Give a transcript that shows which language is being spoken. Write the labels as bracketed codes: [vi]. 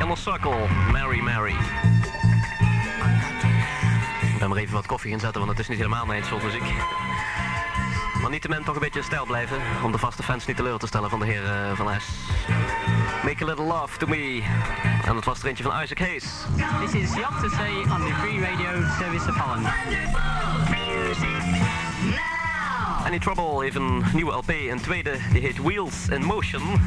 [nl] Inner Circle, Mary Mary. Ik ben maar even wat koffie inzetten, want het is niet helemaal mijn soort muziek. Maar niettemin toch een beetje stijl blijven, om de vaste fans niet teleur te stellen van de heer Van Hes. [en] Make a little love to me. [nl] En dat was er eentje van Isaac Hayes. [en] This is Yacht to Say on the Free Radio Service of Holland. [nl] Any Trouble heeft een nieuwe LP, een tweede, die heet Wheels in Motion.